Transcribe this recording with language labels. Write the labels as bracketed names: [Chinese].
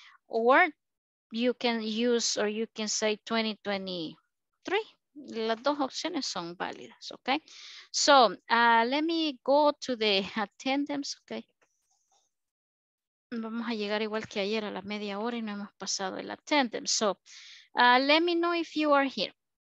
[English] Or you can use, or you can say 2023. [Spanish] Las dos opciones son válidas, [English] okay? So, let me go to the attendance, okay? [Spanish] Vamos a llegar igual que ayer a la media hora y no hemos pasado el attendance. [English] So, let me know if you are here.